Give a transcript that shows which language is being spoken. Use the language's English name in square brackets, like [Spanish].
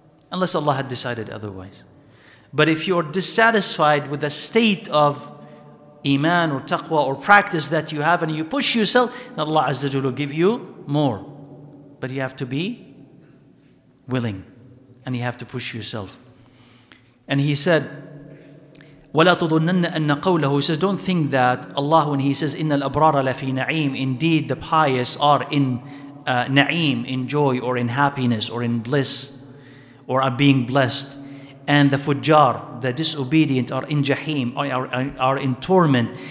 [English] Unless Allah had decided otherwise. But if you're dissatisfied with the state of iman or taqwa or practice that you have and you push yourself, then Allah Azza wa Jalla will give you more. But you have to be willing and you have to push yourself. And he said, [Arabic] وَلَا تُظُنَّنَّ أَنَّ قَوْلَهُ. [English] He says, don't think that Allah, when He says, [Arabic] إِنَّ الْأَبْرَارَ لَفِي نَعِيمٍ, [English] indeed the pious are in na'im, in joy or in happiness or in bliss or are being blessed. And the fujjar, the disobedient, are in jahim, are in torment.